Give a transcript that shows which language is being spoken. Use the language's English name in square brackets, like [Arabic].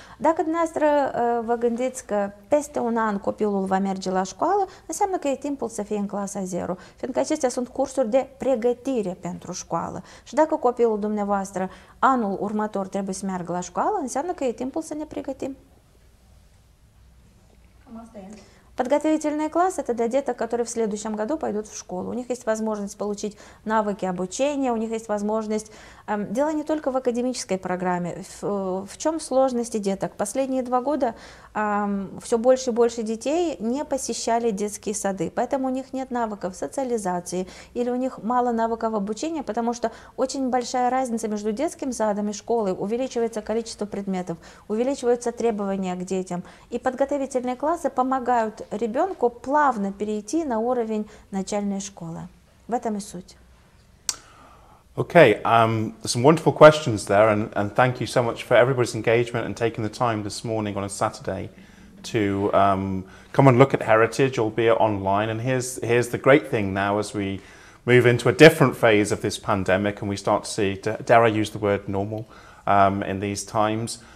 [Romanian] Dacă dumneavoastră vă gândiți că peste un an copilul va merge la școală, înseamnă că e timpul să fie în clasa 0, fiindcă acestea sunt cursuri de pregătire pentru școală. Și dacă copilul dumneavoastră anul următor trebuie să meargă la școală, înseamnă că e timpul să ne pregătim. [Russian] Подготовительные классы – это для деток, которые в следующем году пойдут в школу. У них есть возможность получить навыки обучения, у них есть возможность… Дело не только в академической программе. В чем сложности деток? Последние два года все больше и больше детей не посещали детские сады, поэтому у них нет навыков социализации или у них мало навыков обучения, потому что очень большая разница между детским садом и школой. Увеличивается количество предметов, увеличиваются требования к детям. И подготовительные классы помогают ребенку плавно перейти на уровень начальной школы. В этом и суть. [English] Okay, some wonderful questions there, and thank you so much for everybody's engagement and taking the time this morning on a Saturday to come and look at Heritage, albeit online. And here's the great thing now as we move into a different phase of this pandemic and we start to see, dare I use the word normal, in these times.